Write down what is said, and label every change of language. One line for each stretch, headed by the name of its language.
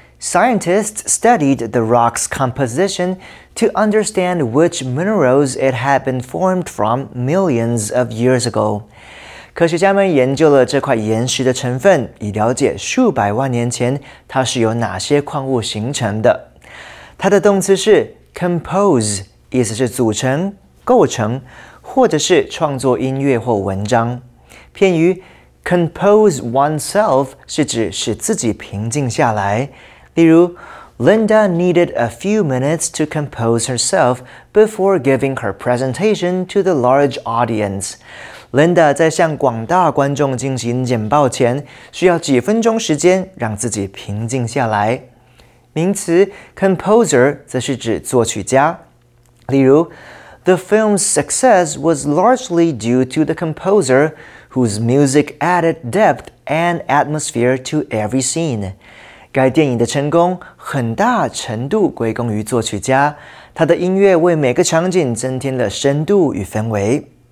English: Scientists studied the rock's composition to understand which minerals it had been formed from millions of years ago.
Chinese: 科学家们研究了这块岩石的成分，以了解数百万年前它是由哪些矿物形成的。它的动词是 compose， 意思是组成、构成，或者是创作音乐或文章。片语 compose oneself 是指使自己平静下来。例如
English: ，Linda needed a few minutes to compose herself before giving her presentation to the large audience.
Chinese: Linda 在向广大观众进行简报前，需要几分钟时间让自己平静下来。名词 composer 则是指作曲家。例如
English: ，The film's success was largely due to the composer, whose music added depth and atmosphere to every scene.
Chinese: 该电影的成功很大程度归功于作曲家，他的音乐为每个场景增添了深度与氛围。